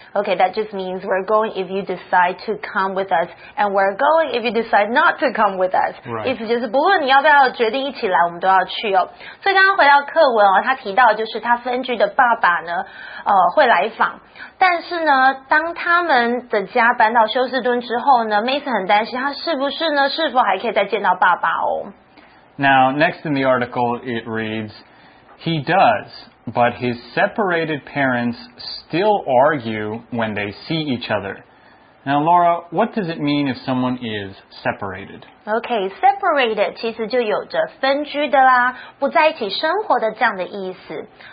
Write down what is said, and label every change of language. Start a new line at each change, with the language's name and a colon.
English: Okay, that just means we're going if you decide to come with us, and we're going if you decide not to come with us. Right.
Chinese: 意思就是不论你要不要决定一起来，我们都要去哦。所以刚刚回到课文哦，他提到就是他分居的爸爸呢，会来访。但是呢，当他们的家搬到休斯敦之后呢， Mason 很担心他是不是呢，是否还可以再见到爸爸哦。
English: Now, next in the article, it reads, he does, but his separated parents still argue when they see each other. Now, Laura, what does it mean if someone is separated?
Chinese: Okay, separated 其实就有着分居的啦，不在一起生活的这样的意思。